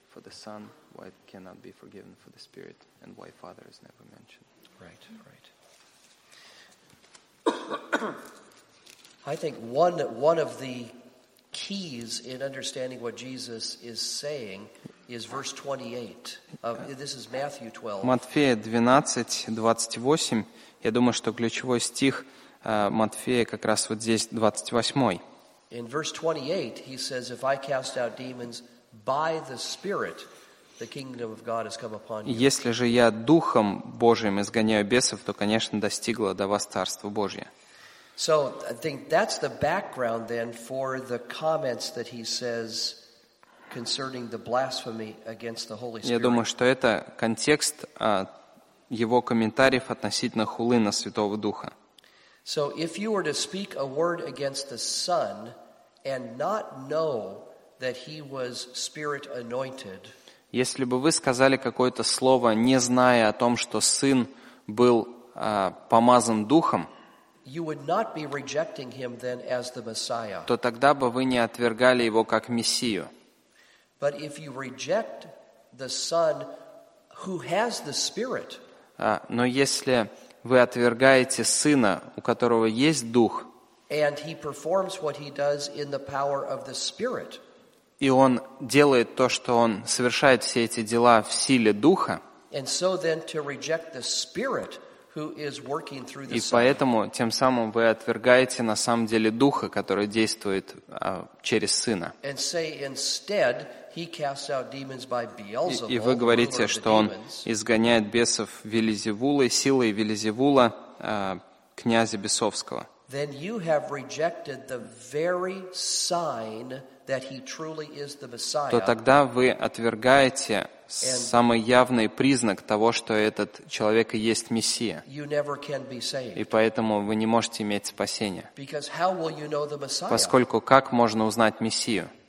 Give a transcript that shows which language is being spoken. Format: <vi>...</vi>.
<en>For the Son, why it cannot be forgiven for the Spirit, and why Father is never mentioned? Right. Right. I think one of the keys in understanding what Jesus is saying is verse 28. This is Matthew 12.</en> <ru>Матфея 12:28. Я думаю, что ключевой стих Матфея как раз вот здесь 28.</ru> <en>In verse 28, he says, "If I cast out demons by the Spirit, the kingdom of God has come upon you."</en> <ru>Если же я духом Божиим изгоняю бесов, то, конечно, достигло до вас Царство Божье.</ru> <en>So I think that's the background then for the comments that he says concerning the blasphemy against the Holy Spirit.</en> <ru>Я думаю, что это контекст его комментариев относительно хулы на Святого Духа.</ru> <en>So if you were to speak a word against the Son and not know that he was Spirit anointed.</en> <ru>Если бы вы сказали какое-то слово, не зная о том, что Сын был помазан Духом,</ru> <en>you would not be rejecting him then as the Messiah.</en> <ru>То тогда бы вы не отвергали его как Мессию.</ru> <en>But if you reject the Son who has the Spirit,</en> <ru>но если вы отвергаете Сына, у которого есть Дух,</ru> <en>and he performs what he does in the power of the Spirit,</en> <ru>и он делает то, что он совершает все эти дела в силе Духа,</ru> <en>and so then to reject the Spirit who is working through the Son.</en> <ru>И поэтому тем самым вы отвергаете на самом деле Духа, который действует через Сына.</ru> <en>And say instead, he casts out demons by Beelzebul.</en> <ru>И вы говорите, что он изгоняет бесов Вельзевулой, силой Вельзевула, князя бесовского.</ru> <en>Then you have rejected the very sign that he truly is the Messiah.</en> <ru>То тогда вы отвергаете самый явный признак того, что этот человек и есть Мессия. И поэтому вы не можете иметь спасения.</ru> <en>You know,</en> <ru>поскольку как можно узнать Мессию?</ru>